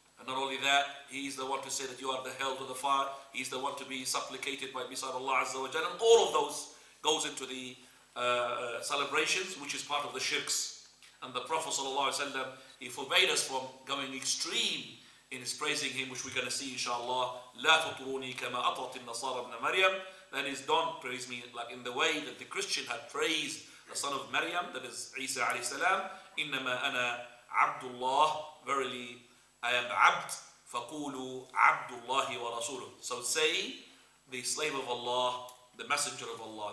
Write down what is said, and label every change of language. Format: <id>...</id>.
<en>And not only that, he's the one to say that you are the hell to the fire. He's the one to be supplicated by beside Allah Azza wa Jalla. And all of those goes into the celebrations, which is part of the shirks. And the Prophet Sallallahu Alaihi Wasallam, he forbade us from going extreme in his praising him, which we're going to see inshallah.</en> <ar>لَا تُطْرُونِي كَمَا أَطْرَتِ النَّصَارَ بْنَ مَرْيَمْ.</ar> <en>That is, don't praise me like in the way that the Christian had praised the son of Maryam, that is Isa alayhi salam.</en> <ar>Innama ana abdullah.</ar> <en>Verily, I am abd.</en> <ar>Faqulu abdullahi wa rasuluh.</ar> <en>So say, the slave of Allah, the messenger of Allah.</en>